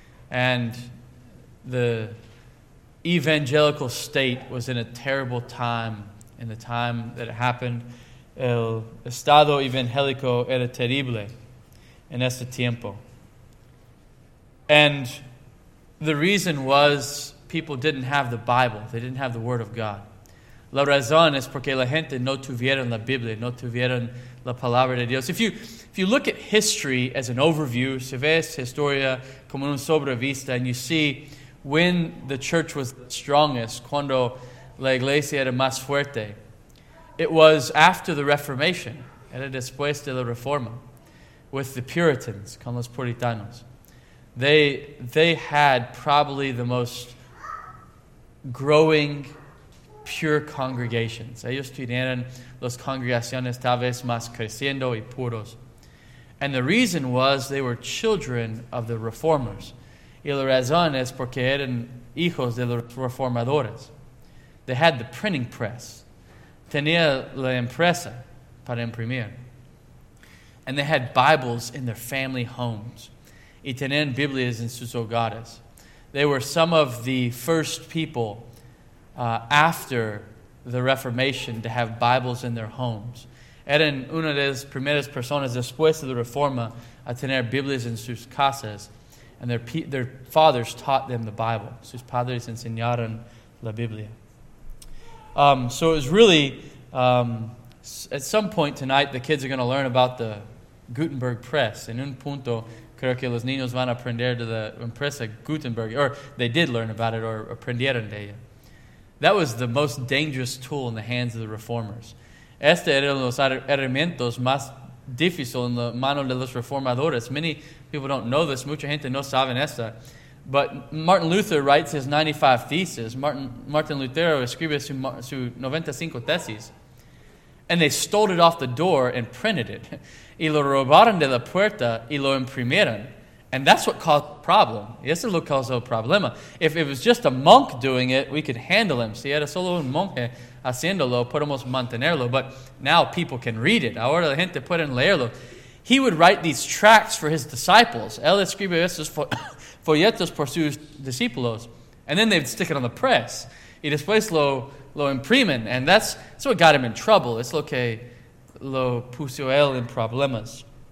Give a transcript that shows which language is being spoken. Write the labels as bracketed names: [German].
[English] And the evangelical state was in a terrible time. In the time that it happened, [Spanish] el estado evangélico era terrible en ese tiempo. [English] And the reason was people didn't have the Bible. They didn't have the Word of God. [Spanish] La razón es porque la gente no tuvieron la Biblia, no tuvieron la Palabra de Dios. [English] If you look at history as an overview, [Spanish] si ves historia como un sobrevista, [English] and you see when the church was the strongest, [Spanish] cuando la iglesia era más fuerte, [English] it was after the Reformation, [Spanish] era después de la Reforma, [English] with the Puritans, [Spanish] con los Puritanos. [English] They had probably the most growing, pure congregations. [Spanish] Ellos tuvieron las congregaciones tal vez más creciendo y puros. [English] And the reason was they were children of the Reformers. [Spanish] Y la razón es porque eran hijos de los Reformadores. [English] They had the printing press. [Spanish] Tenía la empresa para imprimir. [English] And they had Bibles in their family homes. [Spanish] Y tenían Biblias en sus hogares. [English] They were some of the first people after the Reformation to have Bibles in their homes. [Spanish] Eran una de las primeras personas después de la Reforma a tener Biblias en sus casas. [English] And their fathers taught them the Bible. [Spanish] Sus padres enseñaron la Biblia. [English] So it was really, at some point tonight, the kids are going to learn about the Gutenberg Press. [Spanish] En un punto, creo que los niños van a aprender de la empresa Gutenberg. [English] Or they did learn about it, or [Spanish] aprendieron de ella. [English] That was the most dangerous tool in the hands of the Reformers. [Spanish] Este era uno de los herramientas más difíciles en la mano de los Reformadores. [English] Many people don't know this. [Spanish] Mucha gente no sabe esta. [English] But Martin Luther writes his 95 theses. [Spanish] Martin Lutero escribe su 95 tesis. [English] And they stole it off the door and printed it. [Spanish] Y lo robaron de la puerta y lo imprimieron. [English] And that's what caused the problem. [Spanish] Y eso lo causó el problema. [English] If it was just a monk doing it, we could handle him. [Spanish] Si era solo un monje haciéndolo, podemos mantenerlo. [English] But now people can read it. [Spanish] Ahora la gente puede leerlo. [English] He would write these tracts for his disciples. [Spanish] Él escribe estos folletos por sus discípulos. [English] And then they'd stick it on the press. [Spanish] Y después lo imprimen. [English] And that's what got him in trouble. [Spanish] Es lo que lo puso él en problemas.